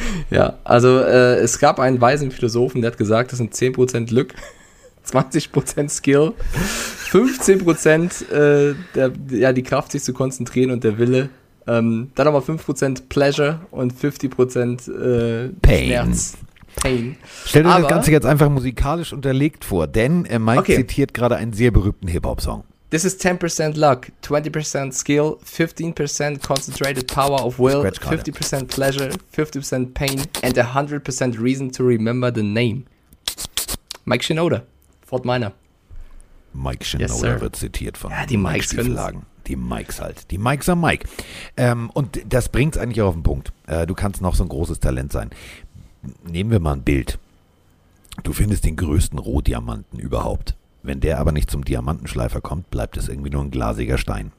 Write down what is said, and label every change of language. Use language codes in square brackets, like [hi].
[de] Ja, also es gab einen weisen Philosophen, der hat gesagt, das sind 10% Glück, 20% Skill, 15% die Kraft, sich zu konzentrieren und der Wille, dann nochmal 5% Pleasure und 50% Schmerz. [en] Pain. [de] Stell dir das Ganze jetzt einfach musikalisch unterlegt vor, denn Mike zitiert gerade einen sehr berühmten Hip-Hop-Song. [en] This is 10% luck, 20% skill, 15% concentrated power of will, 50% pleasure, 50% pain and 100% reason to remember the name. [de] Mike Shinoda, Fort Minor. Mike Shinoda, [en] yes, sir, [de] wird zitiert von, ja, die Mike Stiefelhagen. Die Mikes halt. Die Mikes am Mike. Und das bringt es eigentlich auch auf den Punkt. Du kannst noch so ein großes Talent sein. Nehmen wir mal ein Bild. Du findest den größten Rohdiamanten überhaupt. Wenn der aber nicht zum Diamantenschleifer kommt, bleibt es irgendwie nur ein glasiger Stein.